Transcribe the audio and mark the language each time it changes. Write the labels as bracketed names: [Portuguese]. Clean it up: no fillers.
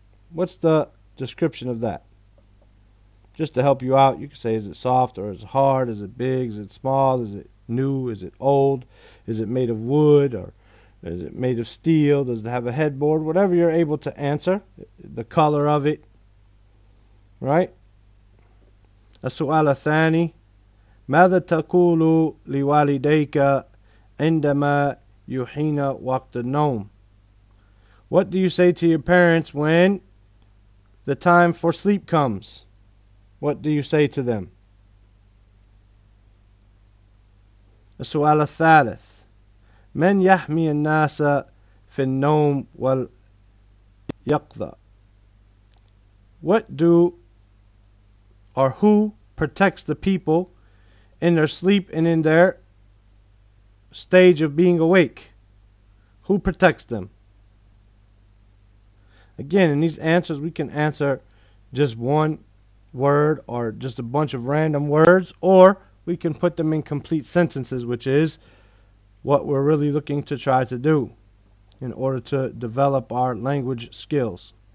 [English] What's the description of that? Just to help you out, you can say, is it soft or is it hard? Is it big? Is it small? Is it new? Is it old? Is it made of wood? Or is it made of steel? Does it have a headboard? Whatever you're able to answer. The color of it. Right? [Arabic] السؤال الثاني ماذا تقول لوالديك عندما يحين وقت النوم? [English] What do you say to your parents when the time for sleep comes? What do you say to them? [Arabic] السؤال الثالث من يحمي الناس في النوم واليقظة? [English] Who protects the people in their sleep and in their stage of being awake? Who protects them? Again, in these answers, we can answer just one word or just a bunch of random words, or we can put them in complete sentences, which is what we're really looking to try to do in order to develop our language skills.